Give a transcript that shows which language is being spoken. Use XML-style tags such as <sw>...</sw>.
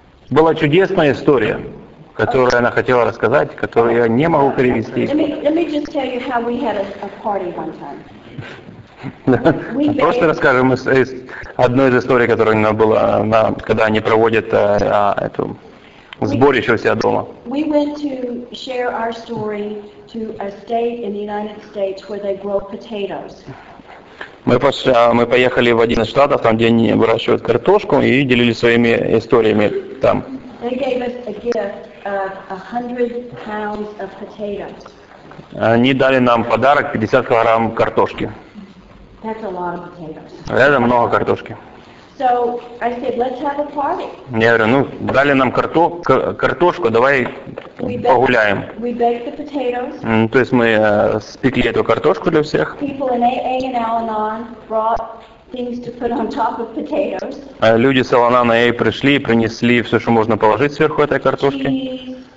<ru>Была чудесная история, которую она хотела рассказать, которую я не могу перевести.</ru> <en>Let me just tell you how we had a party one time.</en> <ru>Просто расскажем из одной из историй, которая у нас была, когда они проводят эту сборище у себя дома.</ru> <en>We went to share our story to a state in the United States where they grow potatoes.</en> <ru>Мы поехали в один из штатов, там, где они выращивают картошку, и делились своими историями там.</ru> <en>They gave us a gift of 100 pounds of potatoes.</en> <ru>Они дали нам подарок 50 килограмм картошки.</ru> <en>That's a lot of potatoes.</en> <ru>Это много картошки.</ru> <en>So I said, let's have a party.</en> <ru>Я говорю, дали нам картошку, давай погуляем.</ru> <en>We baked the potatoes.</en> <ru>То есть мы спекли эту картошку для всех.</ru> <en>People in AA and Al-Anon brought things to put on top of potatoes.</en> <ru>Люди с Al-Anon AA пришли и принесли все, что можно положить сверху этой картошки.</ru>